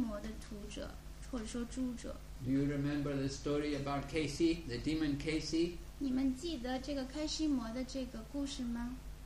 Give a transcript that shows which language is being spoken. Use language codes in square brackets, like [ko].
[zh] 就是开心魔的屠者，或者说诛者。 [en] Do you remember the story about Keshi, the demon Keshi? [zh] 你们记得这个开心魔的这个故事吗？